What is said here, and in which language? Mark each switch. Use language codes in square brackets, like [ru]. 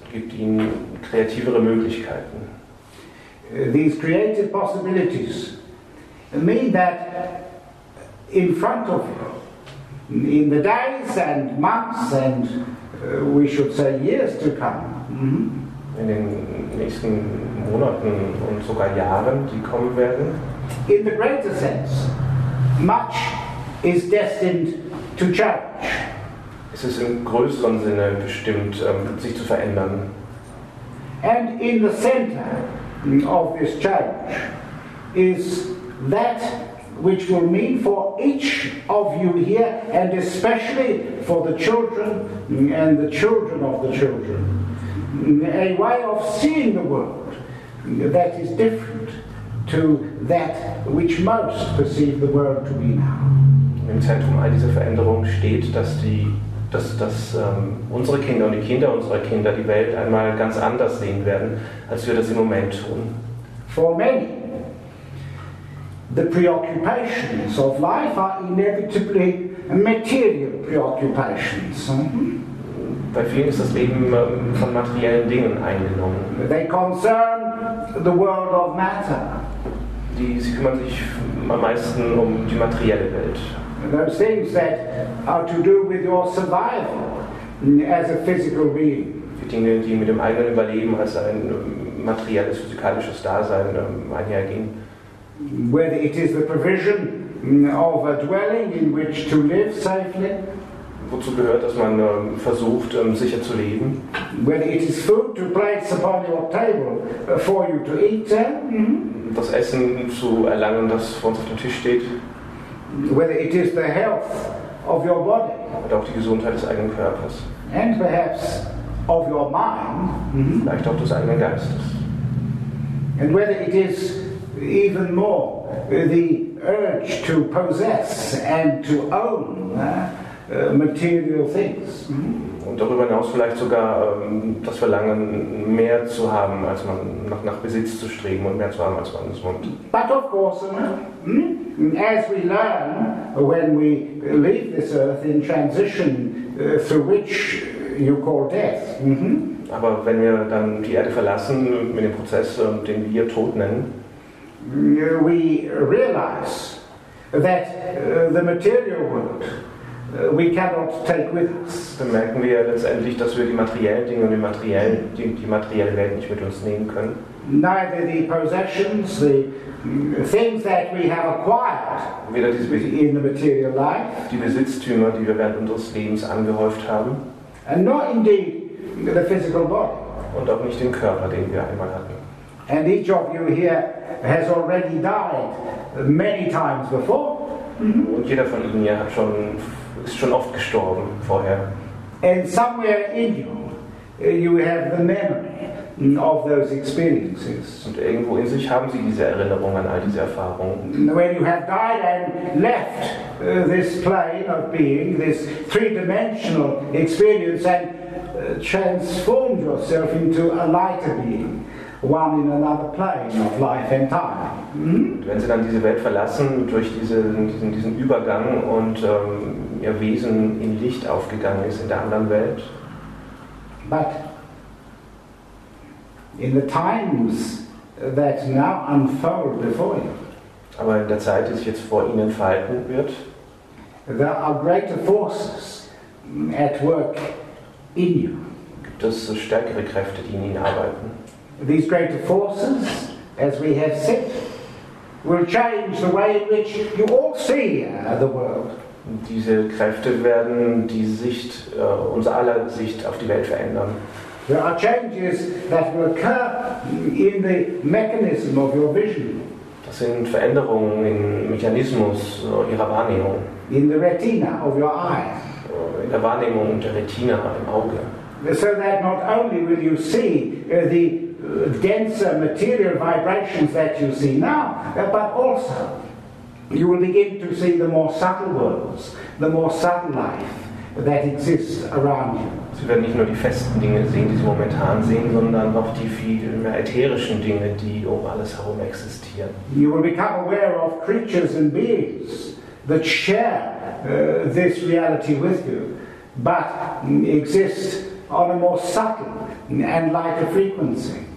[de] Gibt ihnen kreativere Möglichkeiten. [en] These creative possibilities mean that in front of you, in the days and months and we should say years to come. [de] In den nächsten Monaten und sogar Jahren, die kommen werden. [en] In the greater sense, much is destined to change. [de] Es ist im größeren Sinne bestimmt, sich zu verändern. [en] And in the center of this change is that which will mean for each of you here, and especially for the children and the children of the children, a way of seeing the world that is different to that which most perceive the world to be now. [de] Im Zentrum all dieser Veränderungen steht, dass unsere Kinder und die Kinder unserer Kinder die Welt einmal ganz anders sehen werden, als wir das im Moment tun. [en] For many, the preoccupations of life are inevitably material preoccupations. [de] Bei vielen ist das Leben von materiellen Dingen eingenommen. [en] They concern the world of matter. [de] Sie kümmern sich am meisten um die materielle Welt. [en] Those things that are to do with your survival as a physical being. [de] Die Dinge, die mit dem eigenen Überleben als ein materielles, physikalisches Dasein einhergehen. [en] Whether it is the provision of a dwelling in which to live safely. [de] Wozu gehört, dass man versucht, sicher zu leben. [en] Whether it is food to place upon your table for you to eat. [de] Das Essen zu erlangen, das vor uns auf dem Tisch steht. [en] Whether it is the health of your body. [de] Oder auch die Gesundheit des eigenen Körpers. [en] And perhaps of your mind. [de] Vielleicht auch des eigenen Geistes. [en] And whether it is even more the urge to possess and to own material things. [de] Und darüber hinaus vielleicht sogar das Verlangen, mehr zu haben, als man nach Besitz zu streben und mehr zu haben, als man es wohnt. [en] But of course, as we learn when we leave this earth in transition through which you call death. [de] Aber wenn wir dann die Erde verlassen mit dem Prozess, den wir Tod nennen, [en] we realize that the material world we cannot take with us. [de] Dann merken wir letztendlich, dass wir die materiellen Dinge und die materielle Welt nicht mit uns nehmen können. [en] Neither the possessions, the things that we have acquired in the material life. [de] Die Besitztümer, die wir während unseres Lebens angehäuft haben. [en] And not indeed the physical body. [de] Und auch nicht den Körper, den wir einmal hatten. [en] And each of you here has already died many times before. [de] Und jeder von Ihnen hier ist schon oft gestorben vorher. [en] And somewhere in you, you have the memory of those experiences. [de] Und irgendwo in sich haben Sie diese Erinnerung an all diese Erfahrungen. [en] When you have died and left this plane of being, this three-dimensional experience, and transformed yourself into a lighter being, one in another plane of life and time. [de] Und wenn Sie dann diese Welt verlassen, durch diesen Übergang und Ihr Wesen in Licht aufgegangen ist in der anderen Welt. [en] But in the times that now unfold before you. [de] Aber in der Zeit, die sich jetzt vor Ihnen verhalten wird. [en] There are greater forces at work in you. [de] Gibt es stärkere Kräfte, die in Ihnen arbeiten? [en] These greater forces, as we have said, will change the way in which you all see the world. [de] Diese Kräfte werden die Sicht, unser aller Sicht auf die Welt verändern. [en] There are changes that will occur in the mechanism of your vision. [de] Das sind Veränderungen im Mechanismus Ihrer Wahrnehmung. [en] In the retina of your eye. [de] In der Wahrnehmung der Retina im Auge. [en] So that not only will you see the denser material vibrations that you see now, but also you will begin to see the more subtle worlds, the more subtle life that exists around you. [de] Sie werden nicht nur die festen Dinge sehen, die Sie momentan sehen, sondern auch die viel mehr ätherischen Dinge, die um alles herum existieren. [en] You will become aware of creatures and beings that share this reality with you, but exist on a more subtle and lighter frequency.